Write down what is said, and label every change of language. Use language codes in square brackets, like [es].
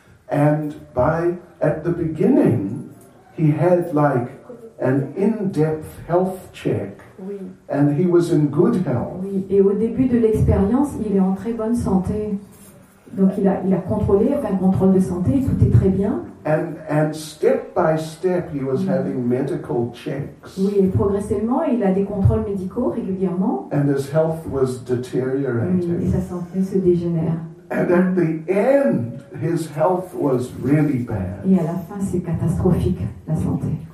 [en] And at the beginning, he had like an in-depth health check, and he was in good health. [fr] Oui, et au début de l'expérience, il est en très bonne santé. Donc il a contrôlé, il a fait un contrôle de santé, tout est très bien. [en] And step by step, he was having medical checks. [fr] Oui, et progressivement, il a des contrôles médicaux régulièrement. [en] And his health was deteriorating. [fr] Oui, et sa santé se dégénère. [en] And at the end, his health was really bad. [fr] Et à la fin, c'est catastrophique, la santé.